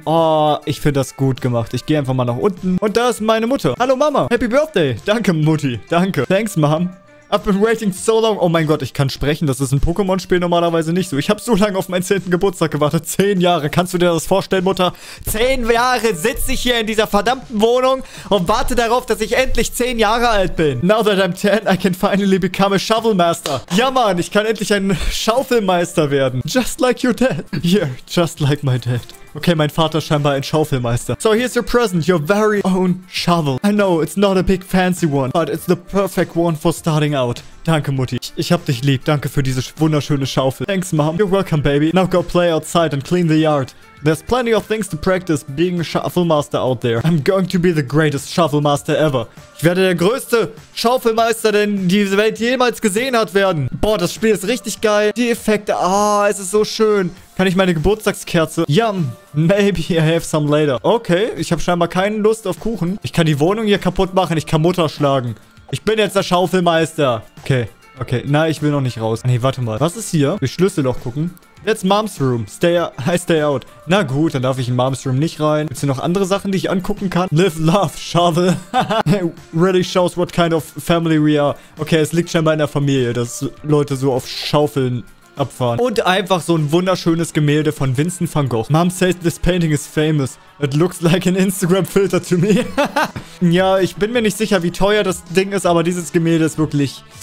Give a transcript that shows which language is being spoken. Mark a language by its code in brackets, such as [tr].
[de] Oh, ich finde das gut gemacht. Ich gehe einfach mal nach unten. Und da ist meine Mutter. Hallo, Mama. Happy Birthday. Danke, Mutti. Danke. Thanks, Mom. I've been waiting so long. Oh mein Gott, ich kann sprechen. Das ist ein Pokémon-Spiel normalerweise nicht so. Ich habe so lange auf meinen 10. Geburtstag gewartet. 10 Jahre. Kannst du dir das vorstellen, Mutter? 10 Jahre sitze ich hier in dieser verdammten Wohnung und warte darauf, dass ich endlich 10 Jahre alt bin. [en] Now that I'm 10, I can finally become a shovel master. [de] Ja, Mann, ich kann endlich ein Schaufelmeister werden. [en] Just like your dad. Yeah, just like my dad. Okay, mein Vater ist scheinbar ein Schaufelmeister. So, here's your present, your very own shovel. I know, it's not a big fancy one, but it's the perfect one for starting out. [de] Danke, Mutti. Ich hab dich lieb. Danke für diese wunderschöne Schaufel. Thanks, Mom. You're welcome, baby. [en] Now go play outside and clean the yard. There's plenty of things to practice being a Shovelmaster out there. I'm going to be the greatest Shovelmaster ever. [de] Ich werde der größte Schaufelmeister, den diese Welt jemals gesehen hat, werden. Boah, das Spiel ist richtig geil. Die Effekte, ah, oh, es ist so schön. [en] Kann ich meine Geburtstagskerze... Yum, maybe I have some later. [de] Okay, ich habe scheinbar keine Lust auf Kuchen. Ich kann die Wohnung hier kaputt machen. Ich kann Mutter schlagen. Ich bin jetzt der Schaufelmeister. Okay. Na, ich will noch nicht raus. Nee, warte mal. Was ist hier? Durch Schlüsselloch gucken. Jetzt Mom's Room. [en] Stay out. [de] Na gut, dann darf ich in Mom's Room nicht rein. Gibt's hier noch andere Sachen, die ich angucken kann? [en] Live, love, shovel. Really shows what kind of family we are. [de] Okay, es liegt scheinbar in der Familie, dass Leute so auf Schaufeln abfahren. Und einfach so ein wunderschönes Gemälde von Vincent van Gogh. Mom says this painting is famous. It looks like an Instagram filter to me. Ja, ich bin mir nicht sicher, wie teuer das Ding ist, aber dieses Gemälde ist wirklich...